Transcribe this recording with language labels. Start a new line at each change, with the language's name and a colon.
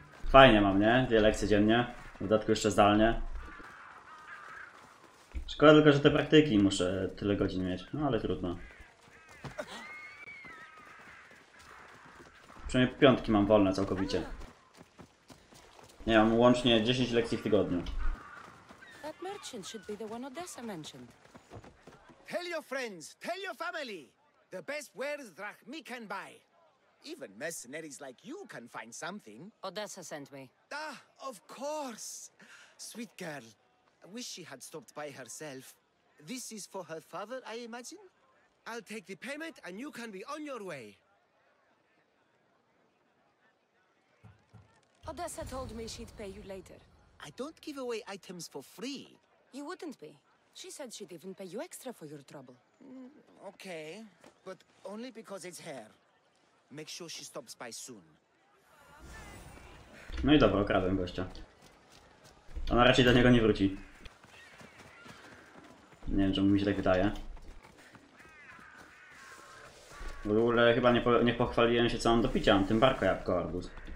Polish: Fajnie mam, nie? Dwie lekcje dziennie. W dodatku jeszcze zdalnie. Szkoda tylko, że te praktyki muszę tyle godzin mieć. No ale trudno. Przynajmniej piątki mam wolne całkowicie. Nie, mam łącznie 10 lekcji w tygodniu.
English: That merchant should be the one Odessa mentioned. Tell your friends, tell your family. The best wares Drachmi can buy. Even mercenaries like you can find something. Odessa sent me. Ah, of course. Sweet girl. I wish she had stopped by herself. This is for her father, I imagine? I'll take the payment and you can be on your way. Odessa told me she'd pay you later. I don't give away items for free. You wouldn't be. She said she'd even pay you extra for your trouble. Okay, but only because it's her. Make sure she stops by soon.
Polish: No i dobra, okradłem gościa. Ona raczej do niego nie wróci. Nie wiem, czemu mi się tak wydaje. W ogóle chyba nie pochwaliłem się, co mam do picia. Mam tym barko jabłko arbuz.